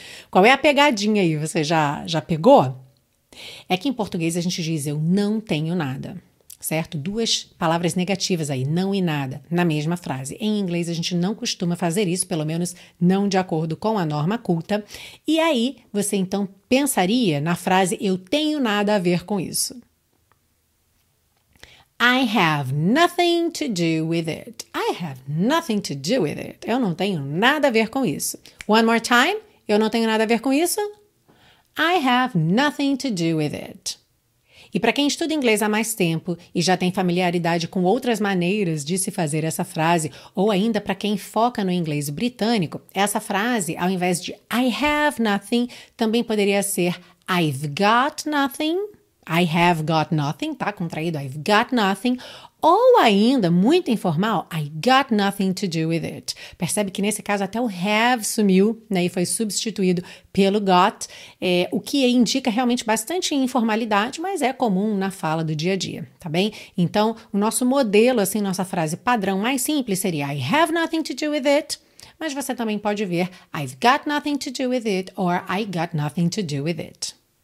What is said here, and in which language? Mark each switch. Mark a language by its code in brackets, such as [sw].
[pt] Qual é a pegadinha aí? Você já pegou? É que em português a gente diz eu não tenho nada, certo? Duas palavras negativas aí, não e nada, na mesma frase. Em inglês, a gente não costuma fazer isso, pelo menos não de acordo com a norma culta. E aí, você então pensaria na frase eu tenho nada a ver com isso. [en] I have nothing to do with it. I have nothing to do with it. [pt] Eu não tenho nada a ver com isso. [en] One more time. [pt] Eu não tenho nada a ver com isso. [en] I have nothing to do with it. [pt] E para quem estuda inglês há mais tempo e já tem familiaridade com outras maneiras de se fazer essa frase, ou ainda para quem foca no inglês britânico, essa frase, ao invés de [en] I have nothing, [pt] também poderia ser [en] I've got nothing. I have got nothing, tá? [pt] Contraído, [en] I've got nothing. [pt] Ou ainda, muito informal, [en] I got nothing to do with it. [pt] Percebe que nesse caso até o have sumiu, né? E foi substituído pelo got, o que indica realmente bastante informalidade, mas é comum na fala do dia a dia, tá bem? Então, o nosso modelo, assim, nossa frase padrão mais simples seria [en] I have nothing to do with it, [pt] mas você também pode ver [en] I've got nothing to do with it or I got nothing to do with it.